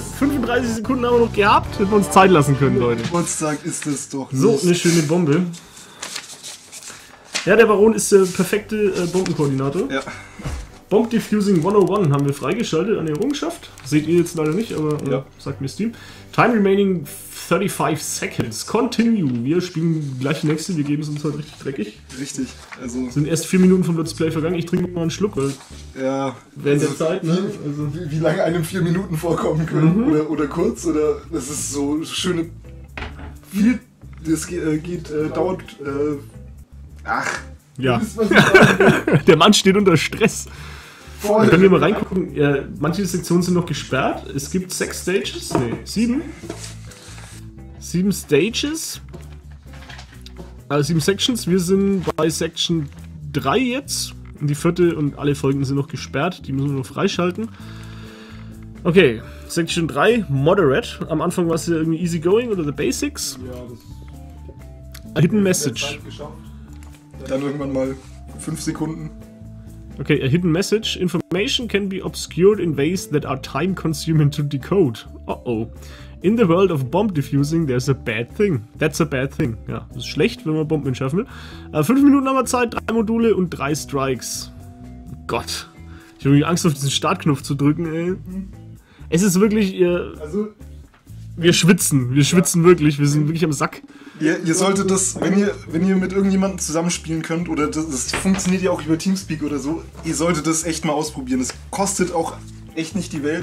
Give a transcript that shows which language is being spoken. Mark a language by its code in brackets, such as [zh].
[de] 35 Sekunden haben wir noch gehabt. Hätten wir uns Zeit lassen können, Leute. Geburtstag ist das doch nicht. So, eine schöne Bombe. Ja, der Baron ist der perfekte Bombenkoordinator. Ja. Bomb Diffusing 101 haben wir freigeschaltet an der Errungenschaft. Seht ihr jetzt leider nicht, aber ja. Sagt mir Steam. [en] Time remaining 35 seconds. Continue. [de] Wir spielen gleich die nächste. Wir geben es uns heute richtig dreckig. Richtig. Also sind erst 4 Minuten vom Let's Play vergangen. Ich trinke mal einen Schluck, weil. Ja. Während also der Zeit, ne? Also wie lange einem 4 Minuten vorkommen können. Mhm. Oder kurz. Oder. Das ist so schöne. Viel. Das geht. Dauert. Ach. Ja. Der Mann steht unter Stress. Voll. Können wir mal reingucken. Ja, manche Sektionen sind noch gesperrt. Es gibt 6 Stages. Ne, 7. 7 Stages. Also 7 Sections. Wir sind bei Section 3 jetzt. Und die vierte und alle Folgen sind noch gesperrt. Die müssen wir noch freischalten. Okay. Section 3, Moderate. Am Anfang war es ja irgendwie Easygoing oder The Basics. Ja, das. Hidden Message. Dann irgendwann mal 5 Sekunden. [en] Okay, a hidden message. Information can be obscured in ways that are time-consuming to decode. Uh-oh. In the world of bomb diffusing, there's a bad thing. That's a bad thing. [de] Ja, das ist schlecht, wenn man Bomben entschärfen will. 5 Minuten haben wir Zeit, 3 Module und 3 Strikes. Gott. Ich habe Angst, auf diesen Startknopf zu drücken, ey. Es ist wirklich, wir schwitzen. Wir schwitzen ja. Wirklich. Wir sind wirklich am Sack. Ihr solltet das, wenn ihr mit irgendjemandem zusammenspielen könnt, oder das funktioniert ja auch über Teamspeak oder so, ihr solltet das echt mal ausprobieren. Es kostet auch echt nicht die Welt.